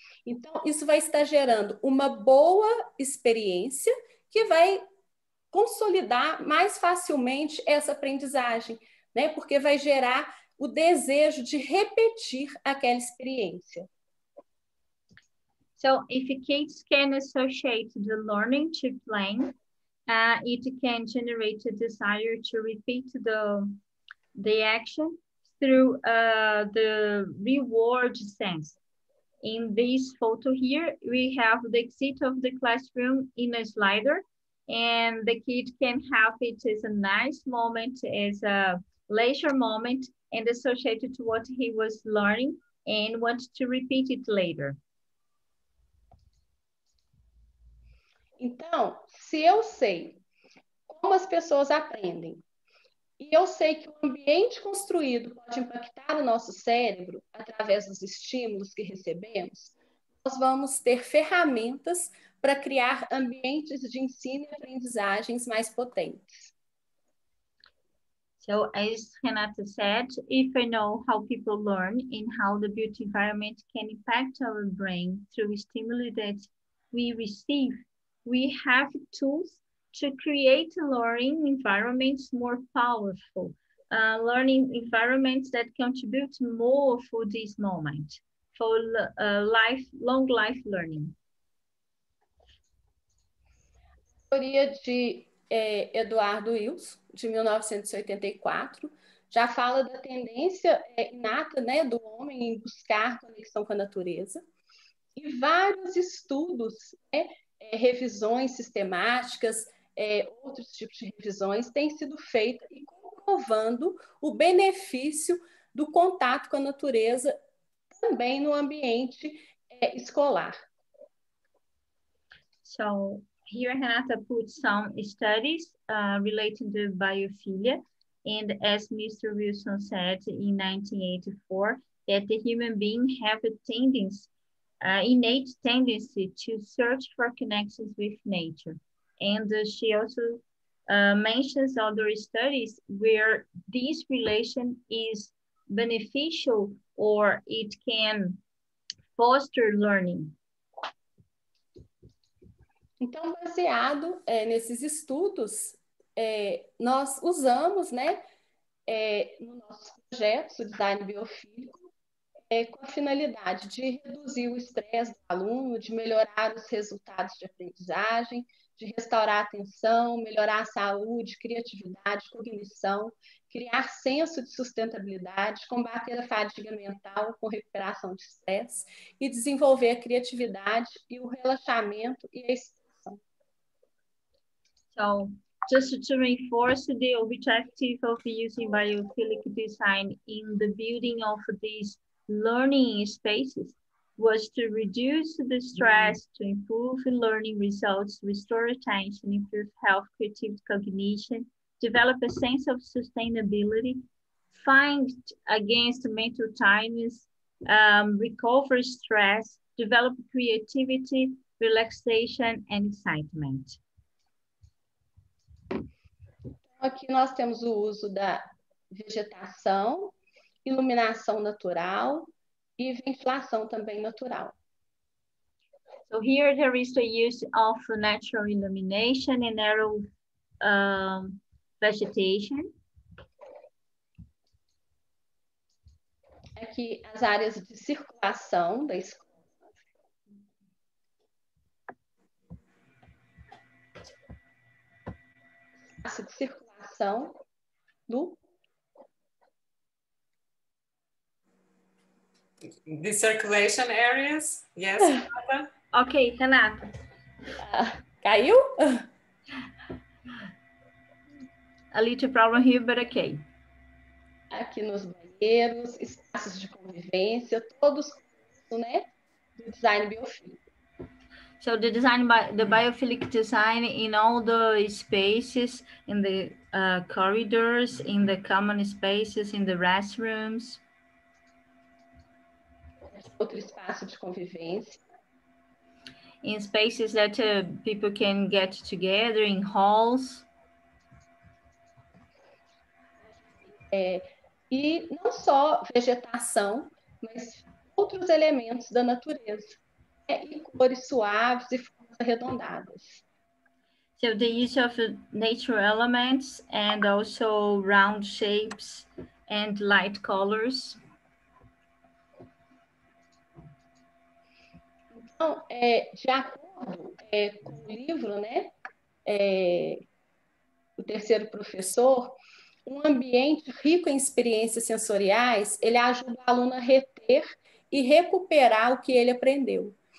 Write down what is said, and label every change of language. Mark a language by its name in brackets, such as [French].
[Portuguese] Então, isso vai estar gerando uma boa experiência que vai consolidar mais facilmente essa aprendizagem, né? Porque vai gerar o desejo de repetir aquela experiência. [English] So, if kids can associate the learning to playing, it can generate a desire to repeat the action through the reward sense. In this photo here, we have the exit of the classroom in a slider, and the kid can have it as a nice moment, as a leisure moment, and associate it to what he was learning and want to repeat it later. [Portuguese] Então, se eu sei como as pessoas aprendem e eu sei que o ambiente construído pode impactar o nosso cérebro através dos estímulos que recebemos, nós vamos ter ferramentas para criar ambientes de ensino e aprendizagens mais potentes. [English] So, as Renata said, if we know how people learn and how the built environment can impact our brain through stimuli that we receive, we have tools to create learning environments more powerful, learning environments that contribute more for this moment, for lifelong life learning. [Portuguese] Teoria de Eduardo Wills, de 1984, já fala da tendência inata, né, do homem em buscar conexão com a natureza. E vários estudos, né, revisões sistemáticas, outros tipos de revisões, têm sido feitas e comprovando o benefício do contato com a natureza também no ambiente escolar. [English] So, here Renata put some studies relating to biophilia, and as Mr. Wilson said in 1984, that the human being have a tendency, innate tendency to search for connections with nature. And she also mentions other studies where this relation is beneficial or it can foster learning. [Portuguese] Então, baseado nesses estudos, nós usamos, né, no nosso projeto, o design biofílico, com a finalidade de reduzir o estresse do aluno, de melhorar os resultados de aprendizagem, de restaurar a atenção, melhorar a saúde, criatividade, cognição, criar senso de sustentabilidade, combater a fadiga mental com recuperação de estresse e desenvolver a criatividade e o relaxamento e a [English] So, just to reinforce the objective of using biophilic design in the building of these learning spaces was to reduce the stress, to improve learning results, restore attention, improve health, creative cognition, develop a sense of sustainability, fight against mental tiredness, recover stress, develop creativity, relaxation, and excitement. [Portuguese] Aqui nós temos o uso da vegetação, iluminação natural e ventilação também natural. [English] So here there is the use of natural illumination and natural vegetation. [Portuguese] Aqui as áreas de circulação da escola. De circulação do [English] the circulation areas, yes. Ok, Renata. [Portuguese] Caiu? [English] A little problem here, but okay. [Portuguese] Aqui nos banheiros, espaços de convivência, todos, né, do design biofílico. [English] So the design by the biophilic design in all the spaces, in the corridors, in the common spaces, in the restrooms. [Portuguese] Outro espaço de convivência. [English] In spaces that people can get together, in halls. [Portuguese] E não só vegetação, mas outros elementos da natureza. [English] So the use of natural elements and also round shapes and light colors. [Portuguese] Então, de acordo com o livro, né, o terceiro professor, um ambiente rico em experiências sensoriais, ele ajuda o aluno a reter e recuperar o que ele aprendeu.